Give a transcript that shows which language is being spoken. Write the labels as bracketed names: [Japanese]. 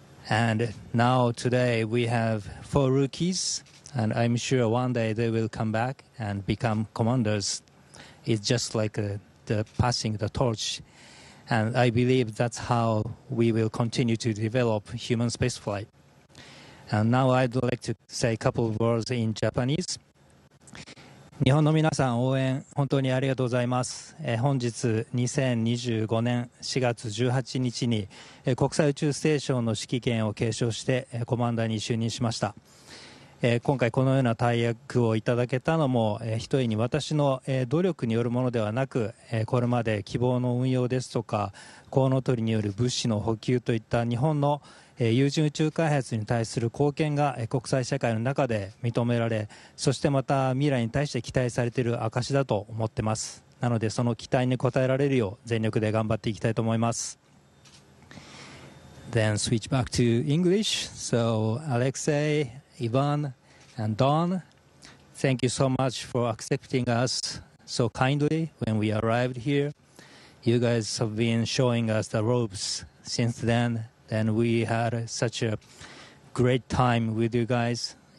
[English] And now, today, we have four rookies, and I'm sure one day they will come back and become commanders. It's just like the passing the torch. And I believe that's how we will continue to develop human spaceflight. And now I'd like to say a couple of words in Japanese. [Japanese] 日本の皆さん、応援本当にありがとうございます。本日2025年4月18日に国際宇宙ステーションの指揮権を継承してコマンダーに就任しました。今回このような大役をいただけたのも一重に私の努力によるものではなく、これまで希望の運用ですとかコウノトリによる物資の補給といった日本の有人宇宙開発に対する貢献が国際社会の中で認められ、そしてまた未来に対して期待されている証だと思ってます。なのでその期待に応えられるよう全力で頑張っていきたいと思います。 [English] Then switch back to English. So Alexei, Ivan and Don, thank you so much for accepting us so kindly when we arrived here. You guys have been showing us the ropes since then. And we had such a great time with you guys.